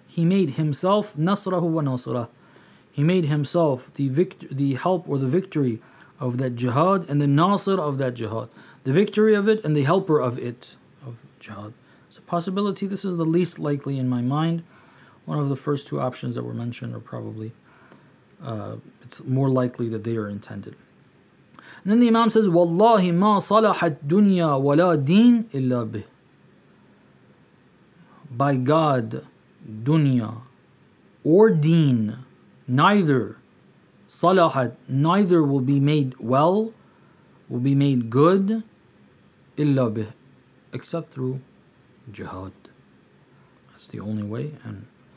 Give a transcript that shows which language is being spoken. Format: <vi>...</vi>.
<en>He made himself</en> <ar>نَصْرَهُ وَنَاصِرَهُ.</ar> <en>He made himself the help or the victory of that jihad and the nasir of that jihad. The victory of it and the helper of it. Jihad. So possibility, this is the least likely in my mind. One of the first two options that were mentioned are probably, it's more likely that they are intended. And then the Imam says,</en> <ar>وَاللَّهِ مَا صَلَحَتْ دُنْيَا وَلَا دِينَ إِلَّا بِهِ.</ar> <en>By God, dunya or deen, neither صَلَحَتْ, neither will be made well, will be made good,</en> <ar>إِلَّا بِهِ.</ar> <en>Except through jihad. That's the only way. And</en>